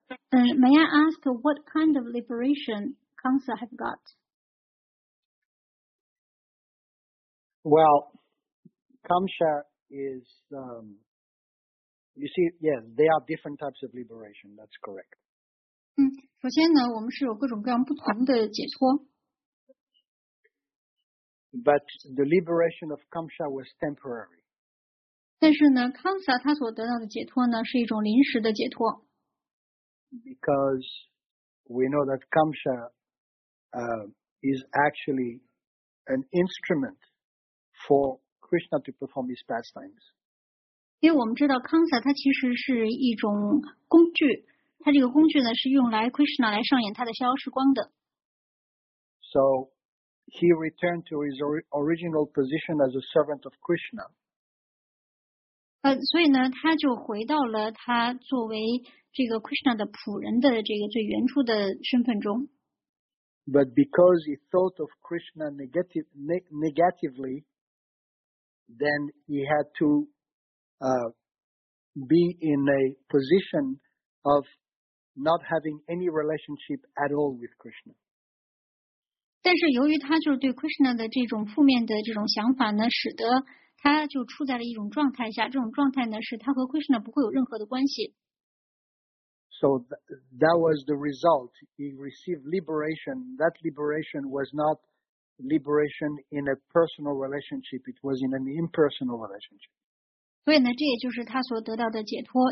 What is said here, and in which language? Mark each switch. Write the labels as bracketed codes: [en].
[en] May I ask what kind of liberation Kansa have got? Well, Kamsa is, you see, yes, there are different types of liberation, that's correct. [zh] 首先呢，我们是有各种各样不同的解脱。 [en] But the liberation of Kamsa was temporary. [zh] 但是呢，康萨他所得到的解脱呢，是一种临时的解脱。 [en] Because we know that Kamsa, is actually an instrument for Krishna to perform his pastimes. [zh] 因为我们知道康萨它其实是一种工具。它这个工具呢，是用来 Krishna 来上演他的逍遥时光的。 [en] So he returned to his original position as a servant of Krishna. [zh] 所以呢，他就回到了他作为这个 Krishna 的仆人的这个最原初的身份中。 [en] But because he thought of Krishna negatively, then he had to be in a position of not having any relationship at all with Krishna. [zh] 但是由于他就是对 Krishna 的这种负面的这种想法呢，使得他就处在了一种状态下，这种状态呢，是他和 Krishna 不会有任何的关系。 [en] So that was the result. He received liberation. That liberation was not liberation in a personal relationship. It was in an impersonal relationship. [zh] 所以呢，这也就是他所得到的解脱。